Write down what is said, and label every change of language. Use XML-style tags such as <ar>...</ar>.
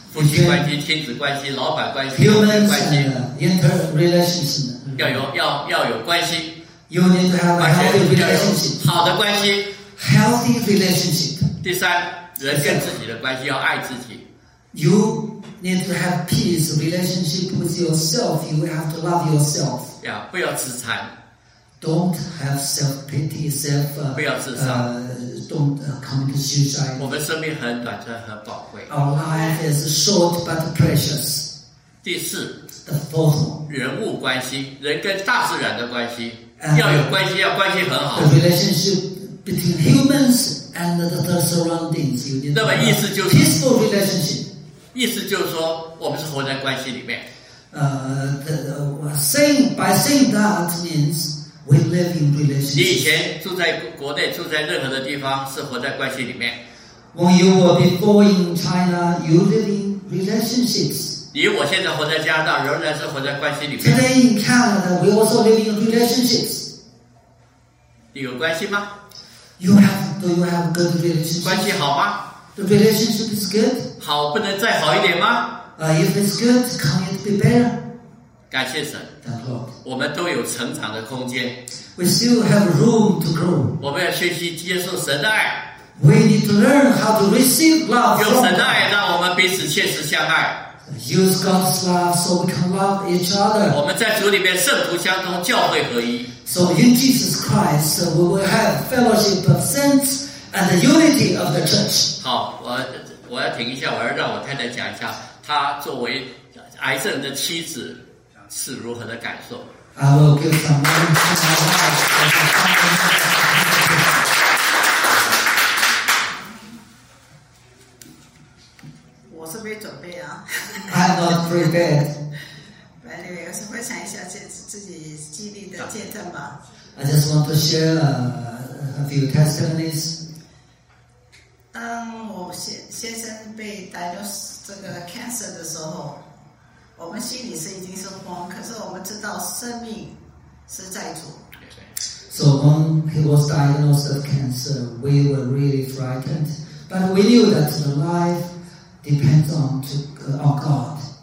<zh>夫妻关系、亲子关系、老板关系、</zh> <en>Humans、</en> <zh>关系。</zh> <en>Inter-relationship.</en> <zh>要有关系。</zh> <en>You need to have a healthy relationship.</en> <zh>好的关系。</zh> <en>Healthy relationship.</en> <zh>第三，人跟自己的关系要爱自己。</zh> <en>You. Need to have peace relationship with yourself. You will have to love yourself.</en> <zh>Yeah, 不要自残</zh> <en>Don't have self pity, self.</en> <zh>不要自残</zh> <en>Don't commit suicide.</en> <zh>我们生命很短暂，很宝贵</zh> <en>Our life is short but precious.</en> <zh>第四</zh> <en>The fourth one.</en> <zh>人物关系，人跟大自然的关系，要有关系，要关系很好</zh> <en>The relationship between humans and the surroundings. You need.</en> <zh>那么意思就是</zh> <en>peaceful relationship.</en> <zh>意思就是说，我们是活在关系里面。</zh> <en>By saying that means we live in relationship.</en> <zh>你以前住在国内，住在任何的地方，是活在关系里面。</zh> <en>When you were before in China, you live in relationships.</en> <zh>你我现在活在加拿大，仍然是活在关系里面。</zh> <en>Today in Canada, we also live in relationships.</en> <zh>你有关系吗</zh> <en>？Do you have good relationships?</en> <zh>关系好吗？</zh> <en>The relationship is good.</en> <zh>好，不能再好一点吗</zh> <en>？If it's good, can it be better?</en> <zh>感谢神。</zh> <en>Thank God.</en> <zh>我们都有成长的空间。</zh> <en>We still have room to grow.</en> <zh>我们要学习接受神的爱。</zh> <en>We need to learn how to receive love.</en> <zh>用神的爱让我们彼此切实相爱。</zh> <en>Use God's love so we can love each other.</en> <zh>我们在主里面圣徒相通，教会合一。</zh> <en>So in Jesus Christ, we will have fellowship of saints. And the unity of the church.</en> <zh>好，我要停一下，我要让我太太讲一下，她作为癌症的妻子是如何的感受。</zh> <en>I will give some money to my wife. said. Anyway,</en> <zh>我是分享一下自己经历的见证吧。</zh> <en>I just want to share a few testimonies.</en> <zh>当我先生被 diagnosed 这个 cancer 的时候，我们心里是已经是慌，可是我们知道生命是在主。</zh> <en>So when he was diagnosed with cancer, we were really frightened. But we knew that the life depends on God.</en>